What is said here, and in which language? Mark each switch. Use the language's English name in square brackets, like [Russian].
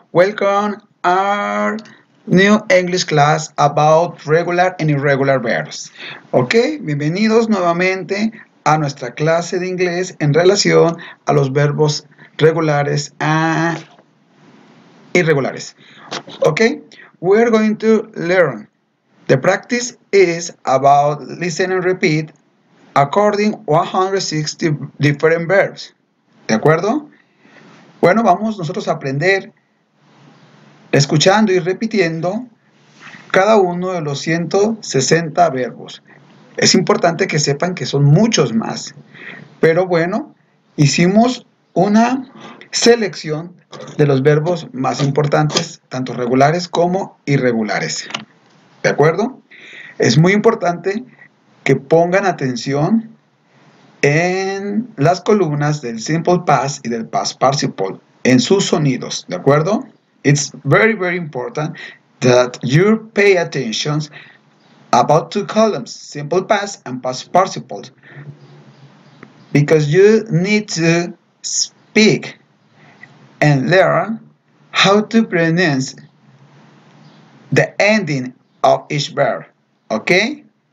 [English] Welcome to our new English class about regular and irregular verbs. [Spanish] Ok, bienvenidos nuevamente a nuestra clase de inglés en relación a los verbos regulares e irregulares. [English] Ok, we're going to learn. The practice is about listen and repeat according 160 different verbs. [Spanish] ¿De acuerdo? Bueno, vamos nosotros a aprender escuchando y repitiendo cada uno de los 160 verbos. Es importante que sepan que son muchos más. Pero bueno, hicimos una selección de los verbos más importantes, tanto regulares como irregulares. ¿De acuerdo? Es muy importante que pongan atención en las columnas del simple past y del past participle, en sus sonidos, ¿de acuerdo? [English] It's very, very important that you pay attention about two columns, simple past and past participle, because you need to speak and learn how to pronounce the ending of each verb, ¿ok?